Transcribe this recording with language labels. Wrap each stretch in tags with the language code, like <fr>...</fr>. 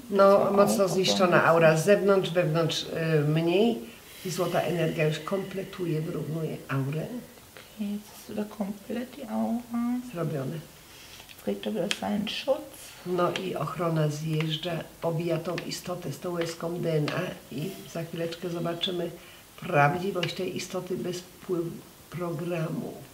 <pl>No, mocno zniszczona aura z zewnątrz, wewnątrz mniej. I złota energia już kompletuje, wyrównuje aurę.</pl> <de>Okay, jetzt ist wieder komplett die Aura.</de> <pl>Zrobione.</pl> <de>Kriegt er wieder seinen Schutz.</de> <pl>No i ochrona zjeżdża, pobija tą istotę z tą łezką DNA i za chwileczkę zobaczymy prawdziwość tej istoty bez wpływu programu.</pl>